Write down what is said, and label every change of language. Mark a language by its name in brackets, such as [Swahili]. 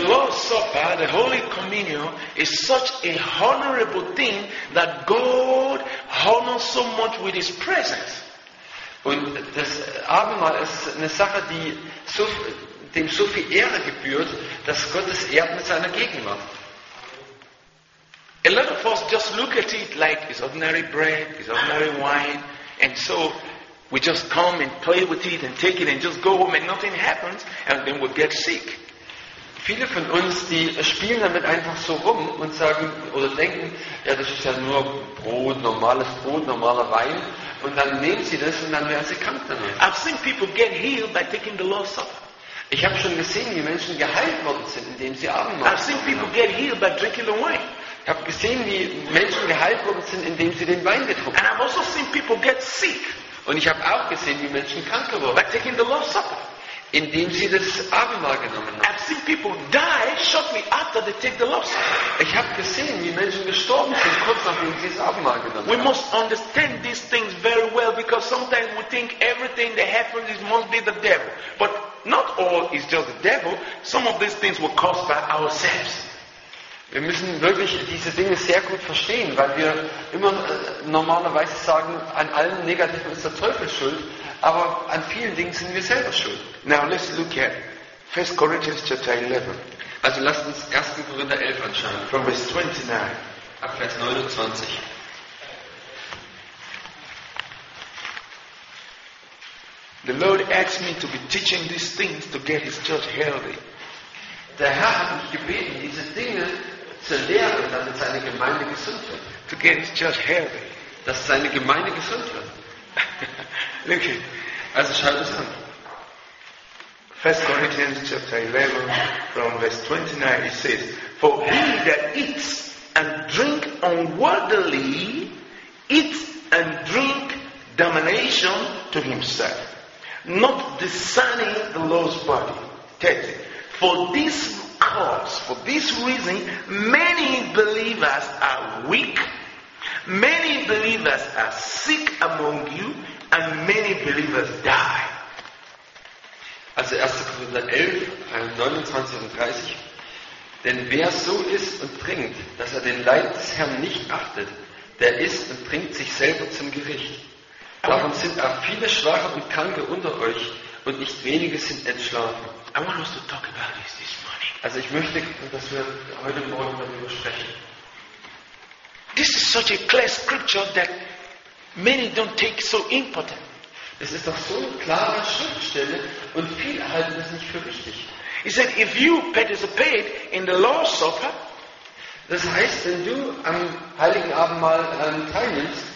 [English] The Lord's Supper, the Holy Communion, is such a honorable thing that God honors so much with His presence. [German] Und das Abendmahl ist eine Sache, die dem so viel Ehre gebührt, dass Gott es ehrt mit seiner Gegenwart. [English] A lot of us just look at it like it's ordinary bread, it's ordinary wine, and so we just come and play with it and take it and just go home and nothing happens, and then we get sick. [German] Viele von uns, die spielen damit einfach so rum und sagen oder denken, ja, das ist ja nur Brot, normales Brot, normaler Wein, und dann nehmen sie das und dann werden sie krank damit. [English] I've seen people get healed by taking the Lord's Supper. [German] Ich habe schon gesehen, wie Menschen geheilt worden sind, indem sie Abendmahl haben. [English] I've seen people get healed by drinking the wine. [German] Ich habe gesehen, wie Menschen geheilt worden sind, indem sie den Wein getrunken haben. [English] And I've also seen people get sick. [German] Und ich habe auch gesehen, wie Menschen krank geworden sind, [English] by taking the Lord's Supper. [German] Indem sie das Abendmahl genommen haben. [English] I've seen people die shortly after they take the Lord's Supper. [German] Ich habe gesehen, wie Menschen gestorben sind, kurz nachdem sie das Abendmahl genommen haben. [English] We must understand these things very well, because sometimes we think everything that happens is must be the devil. But not all is just the devil. Some of these things were caused by ourselves. [German] Wir müssen wirklich diese Dinge sehr gut verstehen, weil wir immer normalerweise sagen, an allem Negativen ist der Teufel schuld, aber an vielen Dingen sind wir selber schuld. [English] Now let's look at 1 Corinthians chapter 11. [German] Also lasst uns 1. Korinther 11 anschauen. [English] From verse 29. [German] Ab Vers 29. [English] The Lord asked me to be teaching these things to get His church healthy. [German] Der Herr hat mich gebeten, diese Dinge zu lehren, damit seine Gemeinde gesund wird. [English] To get his church healthy. [German] Dass seine Gemeinde gesund wird. [English] Look it. [German] Also schaut es an. [English] 1 Corinthians chapter 11 from verse 29, it says, for he that eats and drink unworthily eats and drink damnation to himself, not discerning the Lord's body. 30. For this reason, many believers are weak, many believers are sick among you, and many believers die. [German] Also 1. Korinther 11, 29 und 30. Denn wer so isst und trinkt, dass er den Leib des Herrn nicht achtet, der isst und trinkt sich selber zum Gericht. Darum sind auch viele Schwache und Kranke unter euch, und nicht wenige sind entschlafen. [English] I want us to talk about this morning. [German] Also ich möchte, dass wir heute Morgen darüber sprechen. [English] This is such a clear scripture that many don't take so important. [German] Es ist doch so eine klare Schriftstelle und viele halten es nicht für wichtig. [English] He said, if you participate in the Lord's Supper, [German] das heißt, wenn du am Heiligen Abendmahl teilnimmst,